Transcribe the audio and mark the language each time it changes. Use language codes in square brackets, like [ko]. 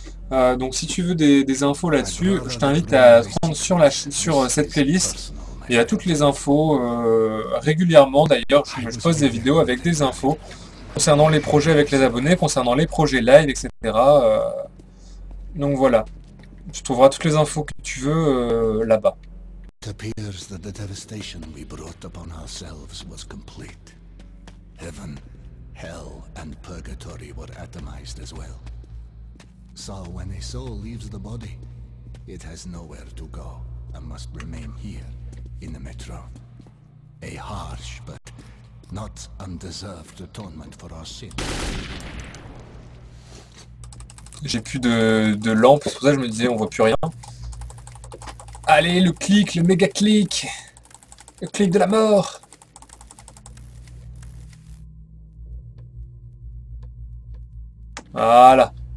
[fr] Donc si tu veux des infos là-dessus, je t'invite à te rendre sur cette playlist. Il y a toutes les infos régulièrement. D'ailleurs, je pose des vidéos avec des infos concernant les projets avec les abonnés, concernant les projets live, etc. Donc voilà, tu trouveras toutes les infos que tu veux là-bas. [en] It appears that the devastation we brought upon ourselves was complete. Heaven, hell and purgatory were atomized as well. So when a soul leaves the body, it has nowhere to go and must remain here. In the metro. A harsh but not undeserved atonement for our sins. [fr] J'ai plus de lampe, c'est pour ça que je me disais on voit plus rien. Allez, le clic, le méga clic, le clic de la mort. Voilà.